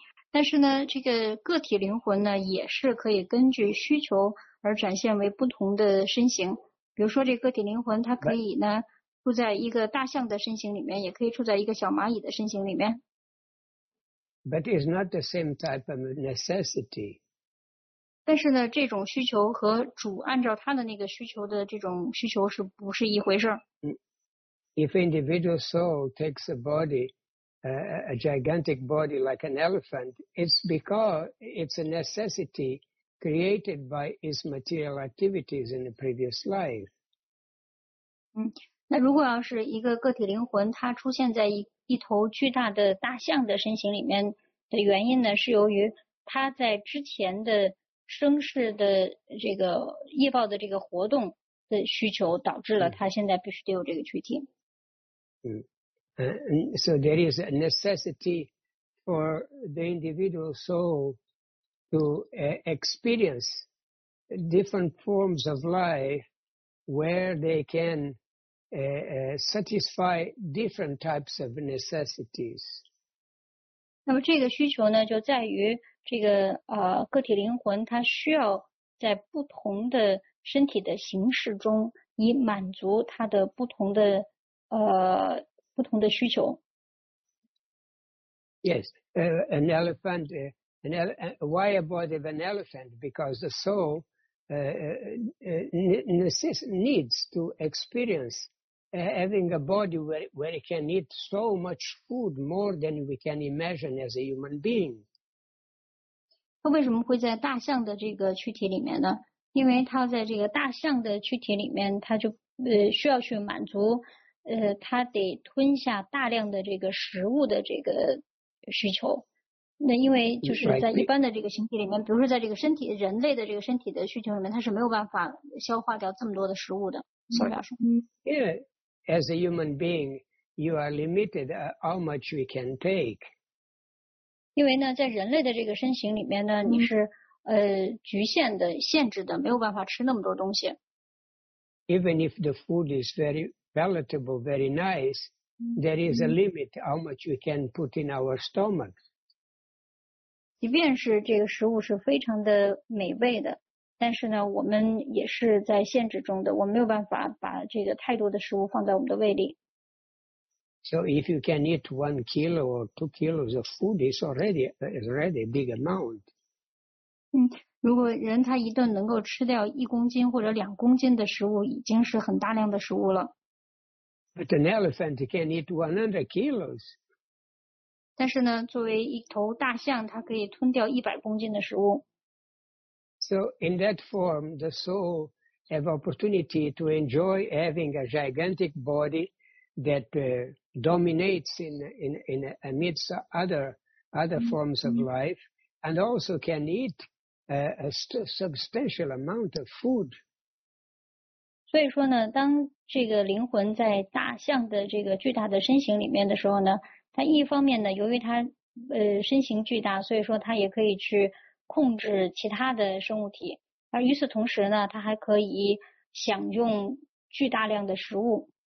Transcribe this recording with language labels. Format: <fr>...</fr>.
<zh>但是呢，这个个体灵魂呢，也是可以根据需求而展现为不同的身形。比如说，这个体灵魂它可以呢住在一个大象的身形里面，也可以住在一个小蚂蚁的身形里面。</zh> <en>But it's not the same type of necessity.</en> <zh>但是呢，这种需求和主按照他的那个需求的这种需求是不是一回事？</zh> <en>If individual soul takes a body. A gigantic body like an elephant, it's because it's a necessity created by its material activities in the previous life.</en> <zh>那如果要是一个个体灵魂它出现在 一头巨大的大象的身形里面的原因呢是由于它在之前的生世的这个业报的这个活动的需求导致了它现在必须得有这个躯体。</zh> <en>So there is a necessity for the individual soul to experience different forms of life where they can satisfy different types of necessities.</en> <zh>那么这个需求呢，就在于这个个体灵魂它需要在不同的身体的形式中，以满足它的不同的不同的需求。</zh> <en>Yes, an elephant, why a body of an elephant? Because the soul needs to experience. Having a body where it can eat so much food more than we can imagine as a human being.</en> <zh>它为什么会在大象的这个躯体里面呢？因为它在这个大象的躯体里面，它就需要去满足它得吞下大量的这个食物的这个需求。那因为就是在一般的这个形体里面，比如说在这个身体人类的这个身体的需求里面，它是没有办法消化掉这么多的食物的。</zh> <en>As a human being, you are limited how much we can take.</en> <zh>因为呢，在人类的这个身形里面呢，你是局限的、限制的，没有办法吃那么多东西。</zh> <en>Even if the food is very palatable, very nice, there is a limit how much we can put in our stomach.</en> <zh>即便是这个食物是非常的美味的。但是呢，我们也是在限制中的，我没有办法把这个太多的食物放在我们的胃里。</zh> <en>So if you can eat 1 kilo or 2 kilos of food, it's already a big amount.</en> <zh>如果人他一顿能够吃掉1公斤或者2公斤的食物，已经是很大量的食物了。</zh> <en>But an elephant can eat 100 kilos.</en> <zh>但是呢，作为一头大象，它可以吞掉100公斤的食物。</zh> <en>So in that form, the soul has opportunity to enjoy having a gigantic body that dominates in amidst other forms of life, and also can eat a substantial amount of food.</en> <zh>所以说呢，当这个灵魂在大象的这个巨大的身形里面的时候呢，它一方面呢，由于它身形巨大，所以说它也可以去。控制其他的生物体，而与此同时呢，它还可以享用巨大量的食物。</zh>